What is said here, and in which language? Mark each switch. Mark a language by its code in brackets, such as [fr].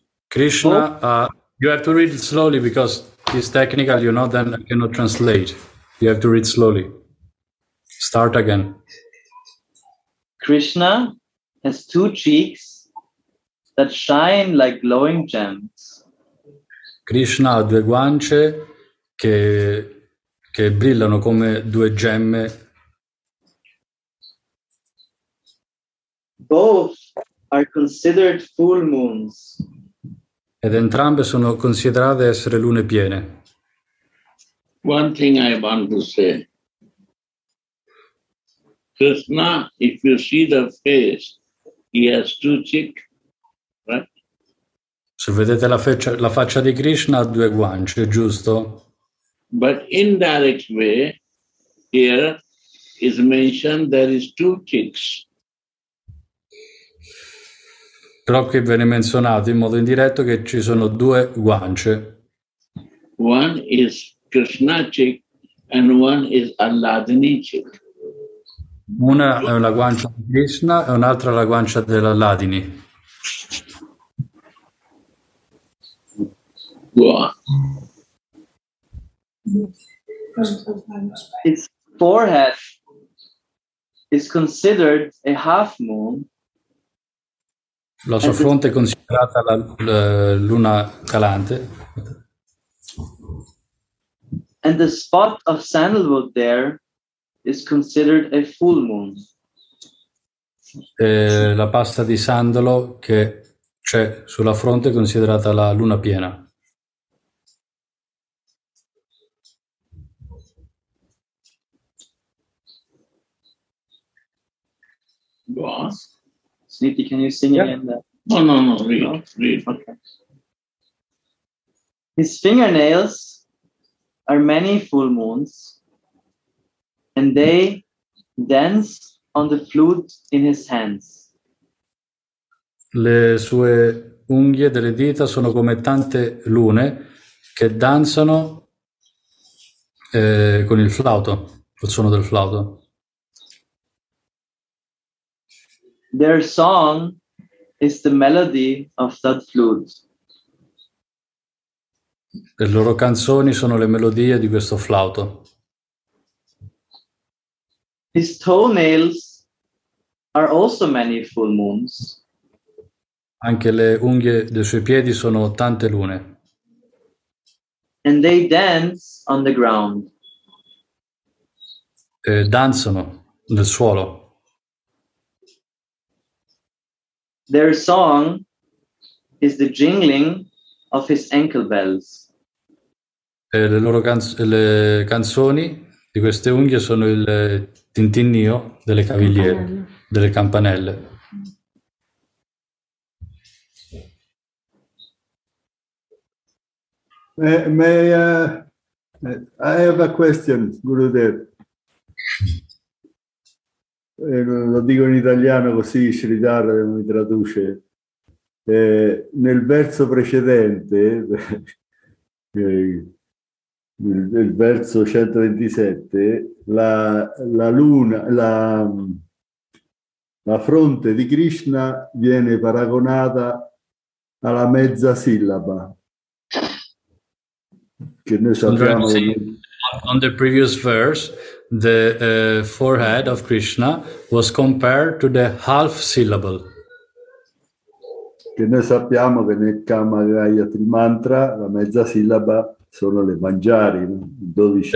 [en] Krishna, you have to read it slowly because it's technical, you know, then I cannot translate. You have to read slowly. Start again. Krishna has two cheeks that shine like glowing gems. [it] Krishna ha due guance che brillano come due gemme. [en] Both are considered full moons. [it] Ed entrambe sono considerate essere lune piene. [en] One thing I want to say. Krishna, if you see the face, he has two cheeks, right? [it] Se vedete la faccia di Krishna, ha due guance, giusto? [en] But indirect way, here is mentioned there is two cheeks. [it] Però qui viene menzionato in modo indiretto che ci sono due guance. [en] One is Krishna cheek and one is Aladini cheek. [it] Una è la guancia di Krishna e un'altra la guancia della Ladini. [en] Its forehead is considered a half moon. [it] La sua fronte è considerata la, la luna calante. [en] And the spot of sandalwood there is considered a full moon. [it] La pasta di sandalo che c'è sulla fronte è considerata la luna piena. [en] Sneepy, can you sing again? Yeah. No, read. His fingernails are many full moons, and they dance on the flute in his hands. [it] Le sue unghie delle dita sono come tante lune che danzano con il flauto, col suono del flauto. [en] Their song is the melody of that flute. [it] Le loro canzoni sono le melodie di questo flauto. [en] His toenails are also many full moons. [it] Anche le unghie dei suoi piedi sono tante lune. [en] And they dance on the ground. [it] E danzano nel suolo. [en] Their song is the jingling of his ankle bells. [it] E le loro le canzoni di queste unghie sono il tintinnio delle cavigliere, delle campanelle. [en] May I have a question, Gurudev. [it] Lo dico in italiano così Sridhar mi traduce. Nel verso precedente, nel verso 127, la luna, la fronte di Krishna viene paragonata alla mezza sillaba. Che noi sappiamo. [en] On the previous verse, the forehead of Krishna was compared to the half syllable. [it] Che noi sappiamo che nel Kamagayatri mantra la mezza sillaba sono le manjari, 12.